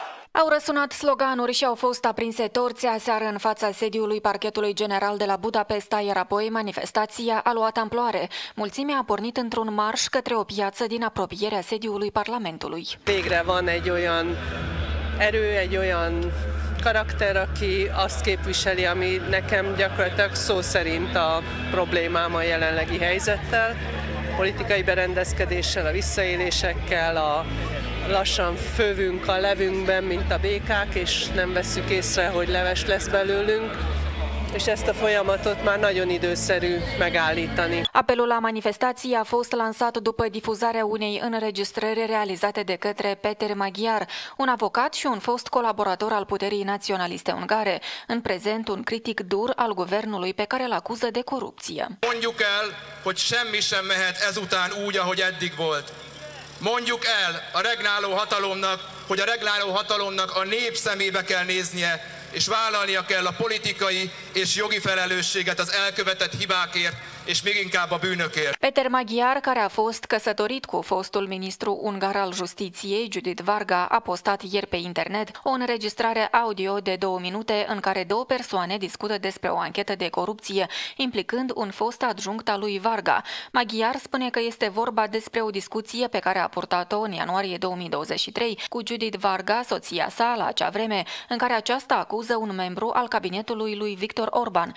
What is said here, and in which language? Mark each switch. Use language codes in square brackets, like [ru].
[ro] Au răsunat sloganuri și au fost aprinse torțe aseară în fața sediului parchetului general de la Budapesta, iar apoi manifestația a luat amploare. Mulțimea a pornit într-un marș către o piață din apropierea sediului Parlamentului. [hu] Végre van egy olyan erő, egy olyan karakter, aki azt képviseli, ami nekem gyakorlatilag szó szerint a problémám a jelenlegi helyzettel, politikai berendezkedéssel, a visszaélésekkel, a lassan fővünk a levünkben, mint a békák, és nem vesszük észre, hogy leves lesz belőlünk. És ezt a folyamatot már nagyon időszerű megállítani. [ro] Apelul la manifestație a fost lansat după difuzarea unei înregistrări realizate de către Peter Maghiar, un avocat și un fost colaborator al Puterii Naționaliste Ungare, în prezent un critic dur al guvernului pe care îl acuză de corupție. [hu] Mondjuk el, hogy semmi sem mehet ezután úgy, ahogy eddig volt. Mondjuk el a regnáló hatalomnak, hogy a regnáló hatalomnak a nép szemébe kell néznie, és vállalnia kell a politikai és jogi felelősséget az elkövetett hibákért, és még inkább a bűnökért. [ro] Peter Maghiar, care a fost căsătorit cu fostul ministru ungar al justiției, Judith Varga, a postat ieri pe internet o înregistrare audio de 2 minute în care 2 persoane discută despre o anchetă de corupție, implicând un fost adjunct al lui Varga. Maghiar spune că este vorba despre o discuție pe care a purtat-o în ianuarie 2023 cu Judith Varga, soția sa, la acea vreme, în care aceasta acuză un membru al cabinetului lui Victor Orban.